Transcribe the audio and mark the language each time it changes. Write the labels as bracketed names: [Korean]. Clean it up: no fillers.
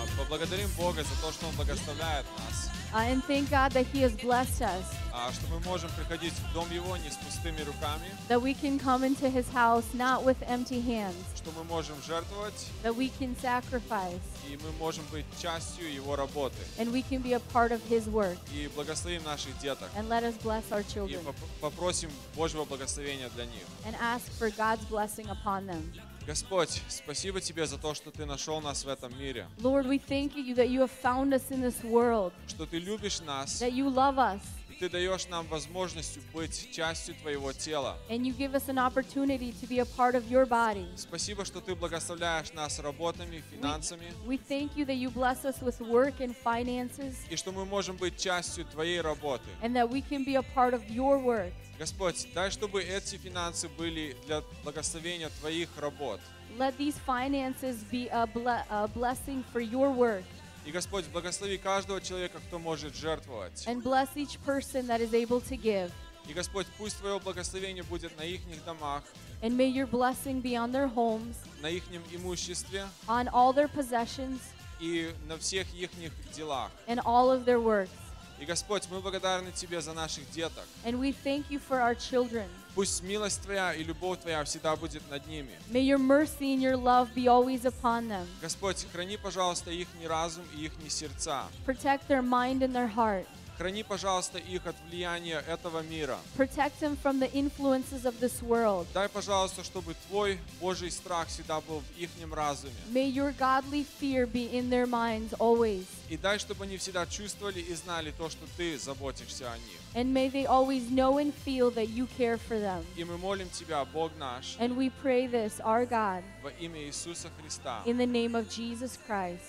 [Russian] Поблагодарим Бога за то, что Он благословляет нас. [English] And thank God that He has blessed us. [Russian] Что мы можем приходить в дом Его не с пустыми руками. [English] That we can come into His house not with empty hands. [Russian] Что мы можем жертвовать. [English] That we can sacrifice. [Russian] И мы можем быть частью Его работы. [English] And we can be a part of His work. [Russian] И благословим наших деток. [English] And let us bless our children. [Russian] И попросим Божьего благословения для них. [English] And ask for God's blessing upon them. [Russian] Господь, спасибо Тебе за то, что Ты нашел нас в этом мире. [English] Lord, we thank You that You have found us in this world. [Russian] Что Ты любишь нас. [English] That You love us. [Russian] И Ты даешь нам возможность быть частью Твоего тела. [English] And You give us an opportunity to be a part of Your body. [Russian] Спасибо, что Ты благословляешь нас работами, финансами. [English] We thank You that You bless us with work and finances. [Russian] И что мы можем быть частью Твоей работы. [English] And that we can be a part of Your work. [Russian] Господь, дай, чтобы эти финансы были для благословения Твоих работ. [English] Let these finances be a blessing for Your work. [Russian] И Господь, благослови каждого человека, кто может жертвовать. [English] And bless each person that is able to give. [Russian] И Господь, пусть Твое благословение будет на ихних домах. [English] And may Your blessing be on their homes. [Russian] На ихнем имуществе. [English] On all their possessions. [Russian] И на всех ихних делах. [English] And all of their works. [Russian] И Господь, мы благодарны Тебе за наших деток. [English] And we thank You for our children. [Russian] Пусть милость Твоя и любовь Твоя всегда будет над ними. [English] May Your mercy and Your love be always upon them. [Russian] Господь, храни, пожалуйста, их разум и их сердца. [English] Protect their mind and their heart. [Russian] Храни, пожалуйста, их от влияния этого мира. [English] Protect them from the influences of this world. [Russian] Дай, пожалуйста, чтобы Твой Божий страх всегда был в ихнем разуме. [English] May Your godly fear be in their minds always. [Russian] И дай, чтобы они всегда чувствовали и знали то, что Ты заботишься о них. [English] And may they always know and feel that You care for them. [Russian] И мы молим Тебя, Бог наш. [English] And we pray this, our God. [Russian] Во имя Иисуса Христа. [English] In the name of Jesus Christ.